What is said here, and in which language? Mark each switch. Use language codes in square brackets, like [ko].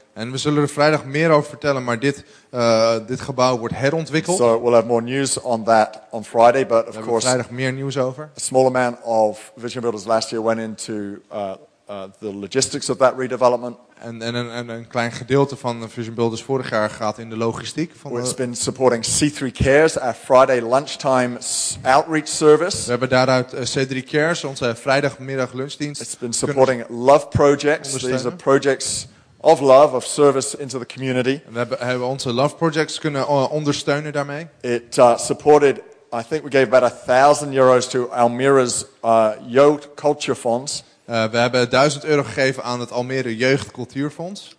[nl] En we zullen er vrijdag meer over vertellen, maar dit gebouw wordt herontwikkeld. [en] So we'll have more news on that on Friday, but of course, [nl] vrijdag meer nieuws over. [en] A small amount of Vision Builders last year went into the logistics of that redevelopment. [nl] En een klein gedeelte van de Vision Builders vorig jaar gaat in de logistiek. [en] We've been supporting C3 Cares, our Friday lunchtime outreach service. [nl] We hebben daaruit C3 Cares, onze vrijdagmiddag lunchdienst. [en] It's been supporting love projects. These are projects of love, of service into the community. [nl] We hebben onze love projects kunnen ondersteunen daarmee. [en] It supported, I think we gave about 1,000 euros to Almere's Jood Culture Fonds. [nl] We hebben 1000 euro gegeven aan het Almere Jeugdcultuurfonds.